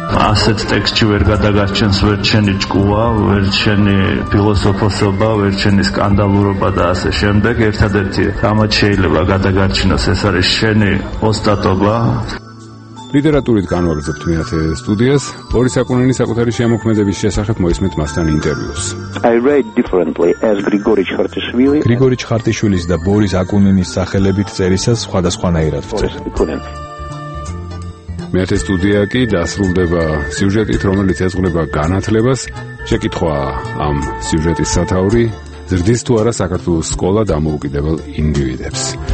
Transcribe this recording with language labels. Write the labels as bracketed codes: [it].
[ka] ასეთ ტექსტში ვერ გადაგაჩენს ვერჩენი ჭკუა, ვერჩენი ფილოსოფოსობა, ვერჩენი სკანდალურობა და ასე შემდეგ. ერთადერთი რამაც შეიძლება გადაგაჩინოს, ეს არის შენი ოსტატობა. ლიტერატურით განვაგრძობთ მეათე სტუდიას. ბორის აკუნინის საკუთარი შემოქმედების შესახებ მოისმენთ მასთან ინტერვიუს. [en] I read differently as Grigori Chartishvili. [ka] გრიგორი ჩხარტიშვილის და ბორის აკუნინის სახელებით წერისას სხვადასხვანაირად ვწერ. მეათე სტუდია კი დასრულდება სიუჟეტით, რომელიც ეძღვნება განათლებას. შეკითხვა ამ სიუჟეტის სათაური: ზრდის თუ არა საქართველოს სკოლა დამოუკიდებელ ინდივიდებს?